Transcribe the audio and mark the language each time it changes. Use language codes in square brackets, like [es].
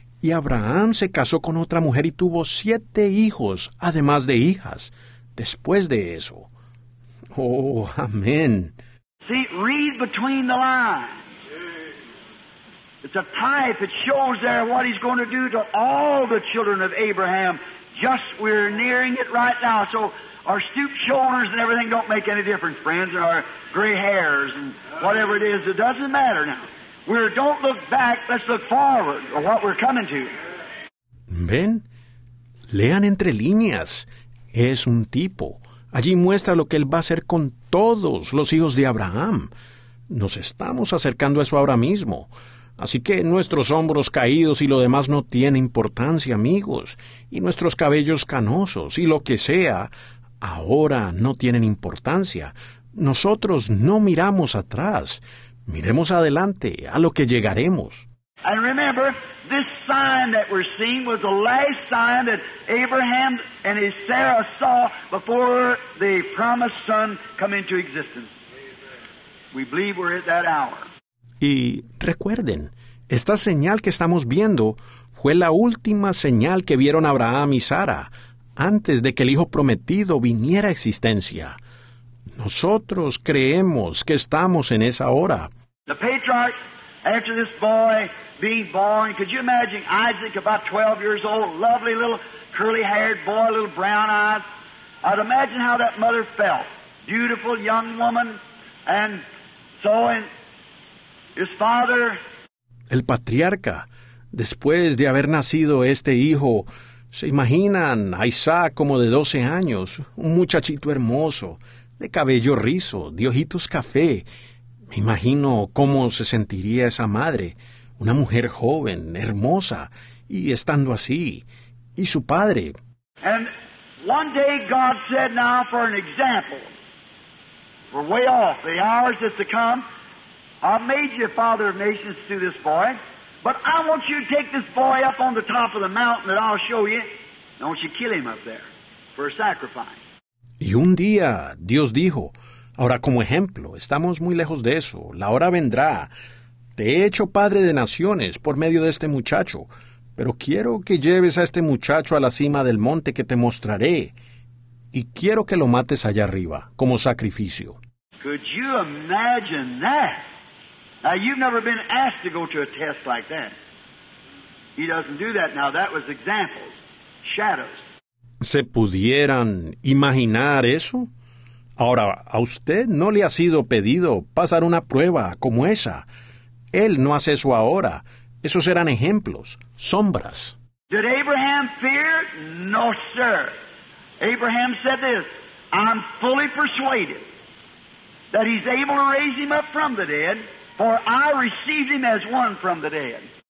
[es] Y Abraham se casó con otra mujer y tuvo 7 hijos, además de hijas, después de eso. Oh, amén. [en] See, read between the lines. It's a type. It shows there what he's going to do to all the children of Abraham. Just we're nearing it right now. So our stooped shoulders and everything don't make any difference, friends, or our gray hairs and whatever it is. It doesn't matter now. Don't look back. Let's look forward or what we're coming to. [es] Ven, lean entre líneas. Es un tipo. Allí muestra lo que él va a hacer con todos los hijos de Abraham. Nos estamos acercando a eso ahora mismo. Así que nuestros hombros caídos y lo demás no tiene importancia, amigos. Y nuestros cabellos canosos y lo que sea, ahora no tienen importancia. Nosotros no miramos atrás. Miremos adelante a lo que llegaremos. [en] And remember, this sign that we're seeing was the last sign that Abraham and his Sarah saw before the promised son came into existence. We believe we're at that hour. [es] Y recuerden, esta señal que estamos viendo fue la última señal que vieron Abraham y Sara antes de que el Hijo Prometido viniera a existencia. Nosotros creemos que estamos en esa hora. [en] The patriarch, after this boy being born, could you imagine Isaac about 12 years old, lovely little curly-haired boy, little brown eyes? I'd imagine how that mother felt. Beautiful young woman, and so in his father. [es] El patriarca, después de haber nacido este hijo, se imaginan a Isaac como de 12 años, un muchachito hermoso, de cabello rizo, de ojitos café. Me imagino cómo se sentiría esa madre, una mujer joven, hermosa, y estando así, y su padre. [en] And one day God said, now for an example, we're way off, the hours is to come, I've made you father of nations to this boy, but I want you to take this boy up on the top of the mountain that I'll show you, and I want you to kill him up there for a sacrifice. [es] Y un día Dios dijo, ahora como ejemplo, estamos muy lejos de eso, la hora vendrá, te he hecho padre de naciones por medio de este muchacho, pero quiero que lleves a este muchacho a la cima del monte que te mostraré, y quiero que lo mates allá arriba, como sacrificio. [en] Could you imagine that? Now, you've never been asked to go to a test like that. He doesn't do that. Now, that was examples, shadows. [es] ¿Se pudieran imaginar eso? Ahora, a usted no le ha sido pedido pasar una prueba como esa. Él no hace eso ahora. Esos eran ejemplos, sombras. [en] Did Abraham fear? No, sir. Abraham said this, I'm fully persuaded that he's able to raise him up from the dead, for I received him as one from the dead.